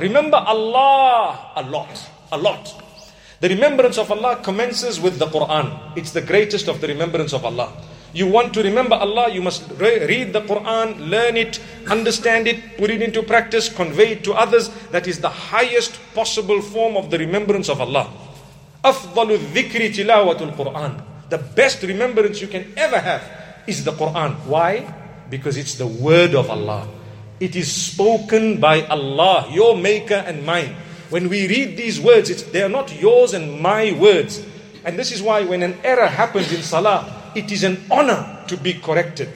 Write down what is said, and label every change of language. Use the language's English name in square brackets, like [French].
[English] Remember Allah a lot, a lot. The remembrance of Allah commences with the Quran. It's the greatest of the remembrance of Allah. You want to remember Allah, you must read the Quran, learn it, understand it, put it into practice, convey it to others. That is the highest possible form of the remembrance of Allah. [Arabic] أفضل الذكر تلاوة القرآن. [English] The best remembrance you can ever have is the Quran. Why? Because it's the word of Allah. It is spoken by Allah, your maker and mine. When we read these words, they are not yours and my words. And this is why when an error happens in salah, it is an honor to be corrected.